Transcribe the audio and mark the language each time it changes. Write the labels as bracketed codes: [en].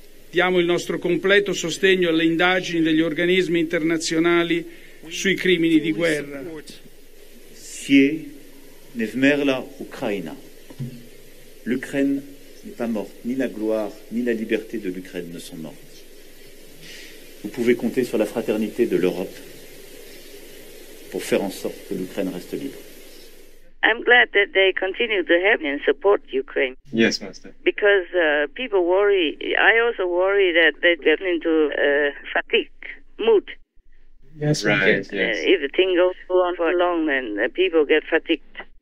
[it] Diamo il nostro completo sostegno alle indagini degli organismi internazionali sui crimini di guerra. [uk] Sie ne vmerla Ukraina. [fr] L'Ukraine n'est pas morte, ni la gloire, ni la liberté de l'Ukraine ne sont mortes. Vous pouvez compter sur la fraternité de l'Europe pour faire en sorte que l'Ukraine reste libre. [en] I'm glad that they continue to help and support Ukraine. Yes, Master. Because people worry. I also worry that they get into a fatigue mood. Yes, right. Yes. If the thing goes on for long, then people get fatigued.